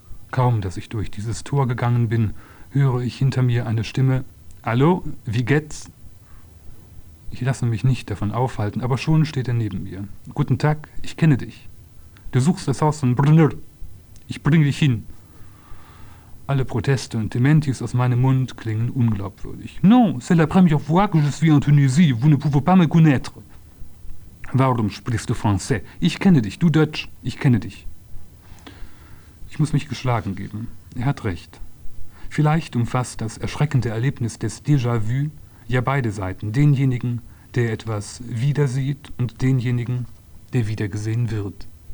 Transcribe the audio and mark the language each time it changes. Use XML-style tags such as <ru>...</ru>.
<de>Kaum, dass ich durch dieses Tor gegangen bin, höre ich hinter mir eine Stimme: Hallo, wie geht's? Ich lasse mich nicht davon aufhalten, aber schon steht er neben mir. Guten Tag, ich kenne dich. Du suchst das Haus von Brunner. Ich bringe dich hin. Alle Proteste und Dementis aus meinem Mund klingen unglaubwürdig.</de> <fr>Non, c'est la première fois que je suis en Tunisie. Vous ne pouvez pas me connaître.</fr> <de>Warum sprichst du Français? Ich kenne dich, du Deutsch, ich kenne dich. Ich muss mich geschlagen geben. Er hat recht. Vielleicht umfasst das erschreckende Erlebnis des Déjà-vu ja beide Seiten. Denjenigen, der etwas wiedersieht und denjenigen, der wiedergesehen wird.</de>